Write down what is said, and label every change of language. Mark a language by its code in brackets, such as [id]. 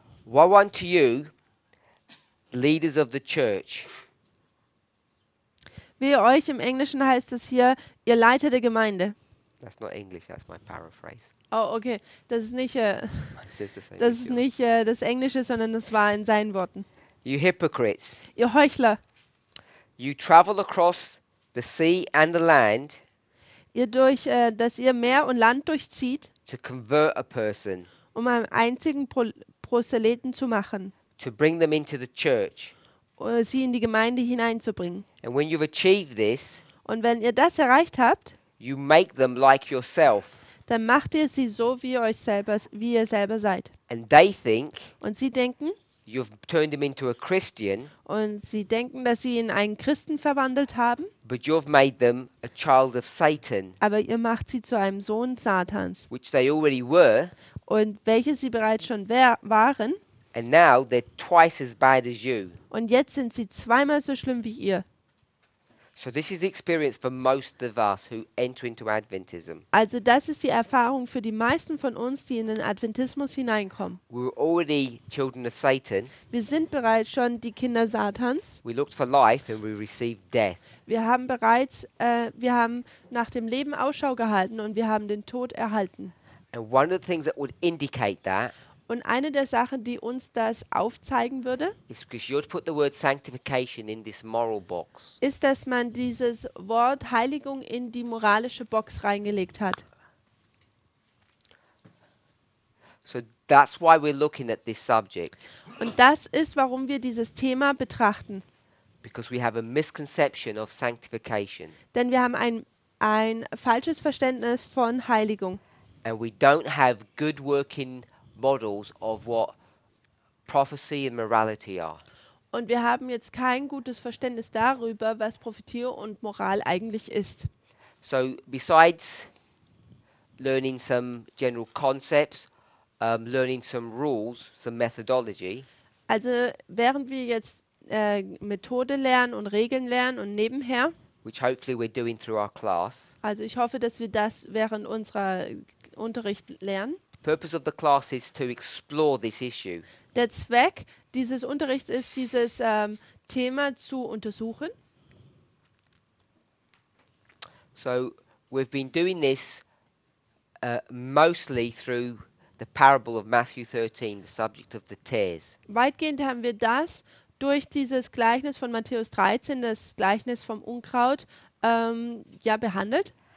[en] Woe unto you, leaders of the church. [de] Wehe euch, im Englischen heißt es hier, ihr Leiter der Gemeinde. [en] That's not English, that's my paraphrase. Oh, okay. [de] Das ist nicht, das, ist nicht das Englische, sondern das war in seinen Worten. [en] You hypocrites. [de] Ihr Heuchler. [en] You travel across the sea and the land. [de] Ihr durch, dass ihr Meer und Land durchzieht. [en] To convert a person. [de] Um einen einzigen Proselyten zu machen. [en] To bring them into the church. [de] Sie in die Gemeinde hineinzubringen. [en] And when you've achieved this. [de] Und wenn ihr das erreicht habt. [en] You make them like yourself. [de] Dann macht ihr sie so, wie ihr euch selber, wie ihr selber seid. [en] And they think, [de] und sie denken, [en] you've turned them into a Christian, [de] und sie denken, dass sie in einen Christen verwandelt haben, [en] but you've made them a child of Satan, [de] aber ihr macht sie zu einem Sohn Satans, [en] which they already were, [de] und welches sie bereits schon waren, [en] and now they're twice as bad as you. [de] Und jetzt sind sie zweimal so schlimm wie ihr. [en] So this is the experience for most of us who enter into Adventism. [de] Also das ist die Erfahrung für die meisten von uns, die in den Adventismus hineinkommen. [en] We're already children of Satan. [de] Wir sind bereits schon die Kinder Satans. [en] We looked for life and we received death. [de] Wir haben bereits wir haben nach dem Leben Ausschau gehalten und wir haben den Tod erhalten. [en] And one of the things that would indicate that. [de] Und eine der Sachen, die uns das aufzeigen würde, [en] put the word sanctification in this moral box. [de] Ist, dass man dieses Wort Heiligung in die moralische Box reingelegt hat. [en] So that's why we're looking at this subject. [de] Und das ist, warum wir dieses Thema betrachten. [en] Because we have a misconception of sanctification. [de] Denn wir haben ein falsches Verständnis von Heiligung. [en] And we don't have good working models of what prophecy and morality are. [de] Und wir haben jetzt kein gutes Verständnis darüber, was Prophetie und Moral eigentlich ist. [en] So besides learning some general concepts, learning some rules, some methodology. [de] Also während wir jetzt Methode lernen und Regeln lernen und nebenher, [en] which hopefully we're doing through our class. [de] Also ich hoffe, dass wir das während unserer Unterricht lernen. [en] Purpose of the class is to explore this issue. [de] Der Zweck dieses Unterrichts ist, dieses Thema zu untersuchen. [en] So we've been doing this mostly through the parable of Matthew 13, the subject of the tares. [de] Weitgehend haben wir das durch dieses Gleichnis von Matthäus 13, das Gleichnis vom Unkraut, behandelt.